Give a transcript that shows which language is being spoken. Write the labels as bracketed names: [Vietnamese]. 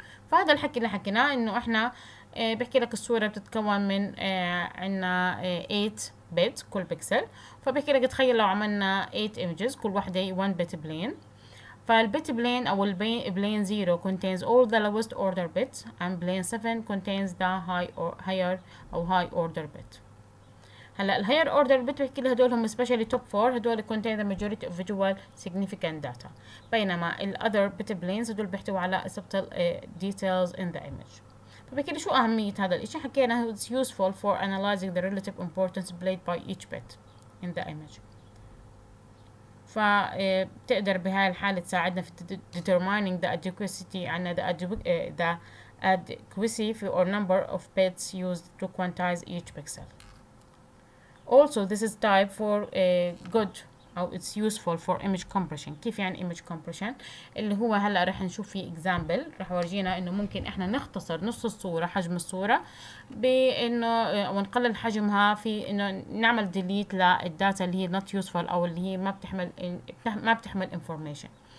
[Arabic] فهذا الحكي اللي حكيناه انه احنا بحكي لك الصورة بتتكون من عنا 8 بت كل بيكسل، فبحكي لك تخيل لو عملنا 8 images كل واحدة 1 بت بلين، فالبت بلين أو البلين 0 [English] contains all the lowest order bits and plane 7 contains the high order bit. [Arabic] هلا [English] الهاير order bit [Arabic] بحكي لها هدول هم [English] specially top 4، هدول contain the majority of visual significant data, [Arabic] بينما [English] الاذر bit planes [Arabic] هدول بيحتوي على [English] Subtle details in the image. [Arabic] فبكده شو أهمية هذا الإشي؟ حكينا [English] it's useful for analyzing the relative importance played by each bit in the image. [Arabic] فتقدر بهاي الحالة تساعدنا في [English] determining the adequacy [Arabic] عنا [English] the adequacy for number of bits used to quantize each pixel. Also this is type for a good أو it's useful for image compression. [Arabic] كيف يعني image compression؟ اللي هو هلا رح نشوف فيه example رح ورجينا انه ممكن احنا نختصر نص الصورة، حجم الصورة، بانه ونقلل حجمها في انه نعمل delete للداتا اللي هي [English] not useful [Arabic] او اللي هي ما بتحمل information.